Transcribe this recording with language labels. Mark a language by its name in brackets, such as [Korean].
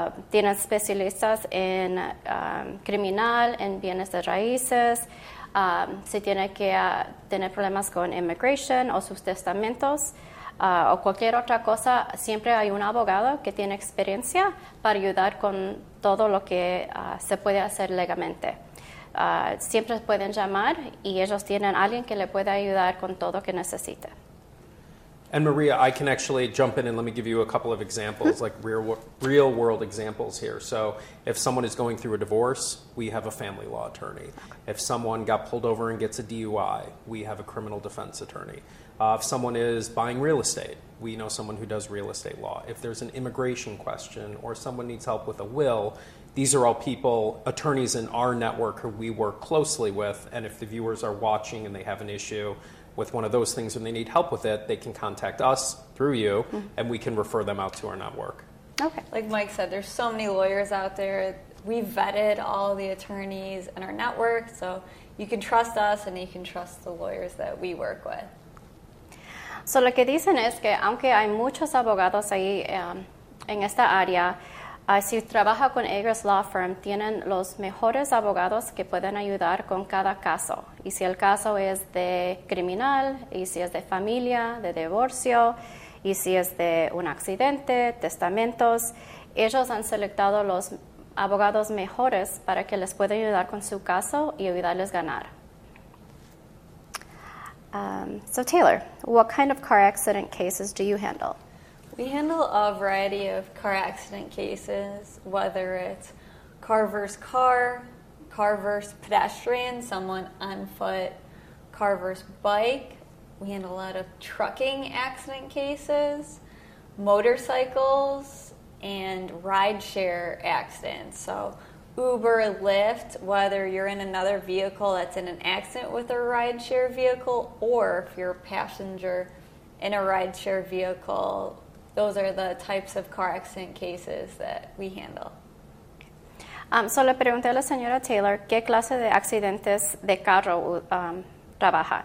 [Spanish] Tienen especialistas en criminal, en bienes de raíces, si tiene que tener problemas con immigration o sus testamentos, o cualquier otra cosa, siempre hay un abogado que tiene experiencia para ayudar con todo lo que se puede hacer legalmente. Siempre pueden llamar y ellos tienen alguien que le puede ayudar con todo que necesite. [English] And Maria, I can actually jump in and let me give you a couple of examples, like real world examples here. So if someone is going through a divorce, we have a family law attorney. If someone got pulled over and gets a DUI, we have a criminal defense attorney. If someone is buying real estate, we know someone who does real estate law. If there's an immigration question or someone needs help with a will, these are all people, attorneys in our network who we work closely with. And if the viewers are watching and they have an issue with one of those things and they need help with it, they can contact us through you and we can refer them out to our network. Okay. Like Mike said, there's so many lawyers out there. We vetted all the attorneys in our network, so you can trust us and you can trust the lawyers that we work with. [Spanish] So lo que dicen es que aunque hay muchos abogados ahí en esta área, si trabaja con Agruss Law Firm, tienen los mejores abogados que pueden ayudar con cada caso. Y si el caso es de criminal, y si es de familia, de divorcio, y si es de un accidente, testamentos, ellos han seleccionado los abogados mejores para que les puedan ayudar con su caso y ayudarles a ganar. [English] So Taylor, what kind of car accident cases do you handle? We handle a variety of car accident cases, whether it's car versus car, car versus pedestrian, someone on foot, car versus bike. We handle a lot of trucking accident cases, motorcycles, and rideshare accidents. So Uber, Lyft, whether you're in another vehicle that's in an accident with a rideshare vehicle, or if you're a passenger in a rideshare vehicle, those are the types of car accident cases that we handle. [Spanish] So le pregunté a la señora Taylor qué clase de accidentes de carro trabaja.